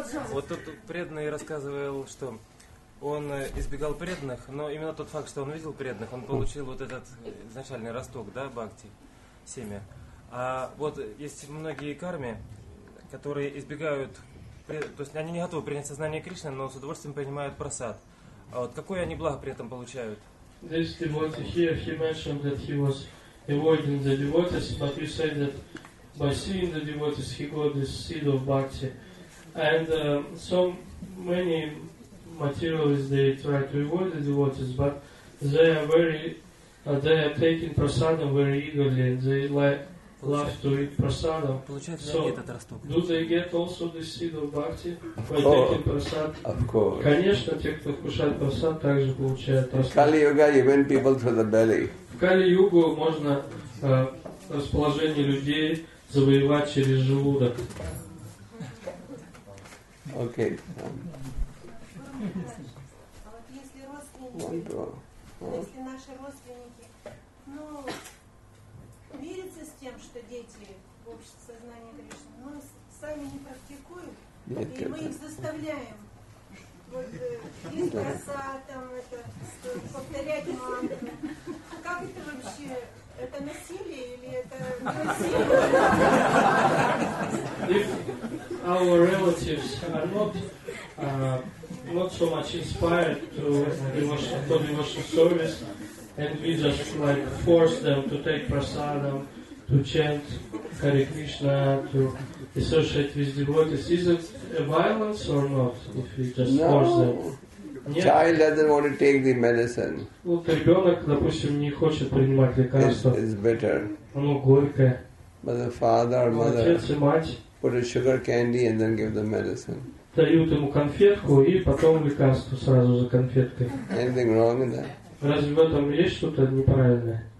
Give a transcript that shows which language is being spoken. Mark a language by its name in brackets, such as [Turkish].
[Russian] Вот тут преданный рассказывал, что он избегал преданных, но именно тот факт, что он видел преданных, он получил вот этот изначальный росток, да, бхакти, семя. А вот есть многие карми, которые избегают, то есть они не готовы принять сознание Кришны, но с удовольствием принимают прасад. А вот какое они благо при этом получают? [English] This devotee here, he mentioned that he was avoiding the devotees, but you said that by seeing the devotees, he got this seed of bhakti. And so many materialists, they try to avoid the devotees, but they are very, they are taking prasadam very eagerly, and they like, love to eat prasadam. So, do they get also the seed of bhakti by taking prasad? Of course. [Russian] Конечно, те, кто кушает прасад, также получают прасад. [English] Kali-yuga, you win people through the belly. [Russian] В Кали-югу можно расположение людей завоевать через желудок. [English] Okay. [Russian] Если наши родственники, ну, мирятся с тем, что дети в обществе сознания Кришны, но сами не практикуют, и мы их заставляем вот из просатом это повторять мантры, как это вообще, это насилие или это насилие? [English] If our relatives are not so much inspired to devotional service, and we just like force them to take prasadam, to chant Hare Krishna, to associate with devotees, is it a violence or not? If we just force them, Child doesn't want to take the medicine. [Russian] Вот ребенок, допустим, не хочет принимать лекарство. [English] It's bitter. [Russian] Оно горькое. [English] But the father or mother. [Russian] Отец и мать. [English] Put a sugar candy and then give them medicine. [Russian] Дают ему конфетку и потом лекарство сразу за конфеткой. [English] Anything wrong in that? [Russian] Разве в этом есть что-то неправильное?